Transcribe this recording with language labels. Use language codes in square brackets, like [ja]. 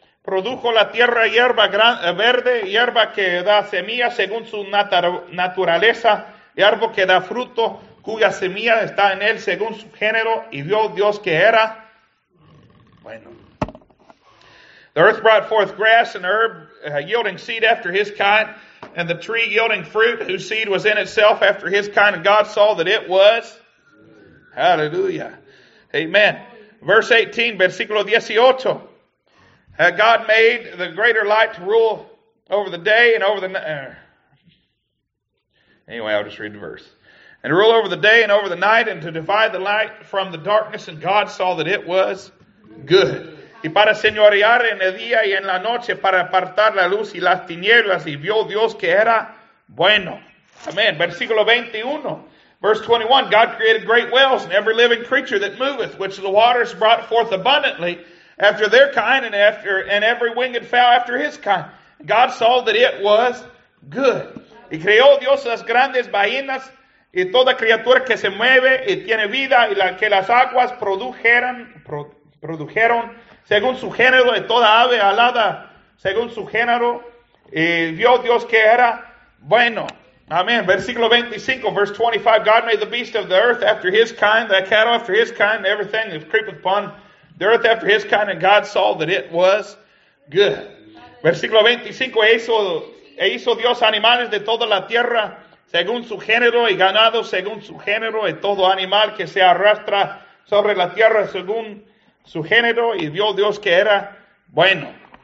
[es] Produjo la tierra hierba verde, hierba que da semilla según su naturaleza, y árbol que da fruto, cuya semilla está en él según su género, y vio Dios que era bueno. [en] The earth brought forth grass and herb, yielding seed after his kind, and the tree yielding fruit, whose seed was in itself after his kind, and God saw that it was. Hallelujah. Amen. Verse 18, versículo 18. God made the greater light to rule over the day and over the night. Anyway, I'll just read the verse. And rule over the day and over the night, and to divide the light from the darkness, and God saw that it was good. [es] Y para señorear en el día y en la noche, para apartar la luz y las tinieblas, y vio Dios que era bueno. Amen. Versículo 21. Verse 21. [en] God created great whales and every living creature that moveth, which the waters brought forth abundantly after their kind, and after and every winged fowl after his kind. God saw that it was good. [es] Y creó Dios las grandes ballenas y toda criatura que se mueve y tiene vida, y la que las aguas produjeron según su género, de toda ave alada según su género. Y vio Dios que era bueno. Amén. Versículo 25, verse 25. [en] God made the beast of the earth after his kind, the cattle after his kind, everything that creepeth upon the earth after his kind, and God saw that it was good. [es] Versículo 25, e hizo Dios animales de toda la tierra según su género, y ganado según su género, y todo animal que se arrastra sobre la tierra según su género, y vio Dios que era bueno.